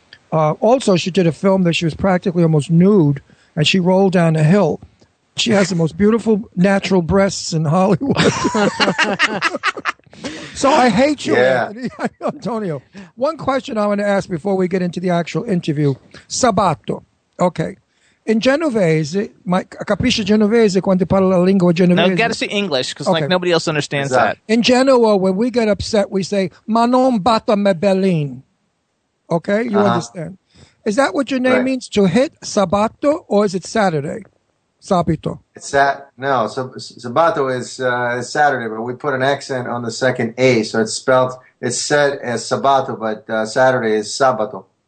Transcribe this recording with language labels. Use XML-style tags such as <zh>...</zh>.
<en>Also, she did a film that she was practically almost nude, and she rolled down a hill. She has the most beautiful natural breasts in Hollywood. So I hate you, Antonio. One question I want to ask before we get into the actual interview. Sabato. Okay.</en> <it>In Genovese, capisci Genovese quando parla la lingua Genovese?</it> <en>No, you got to say English, because like nobody else understands that. In Genoa, when we get upset, we say,</en> <lij>ma non batta me bellin.</lij> <en>Okay, you understand. Is that what your name means, to hit, Sabato, or is it Saturday? Sabito. Sabato is Saturday, but we put an accent on the second A, so it's said as Sabato, but Saturday is Sabato.</en>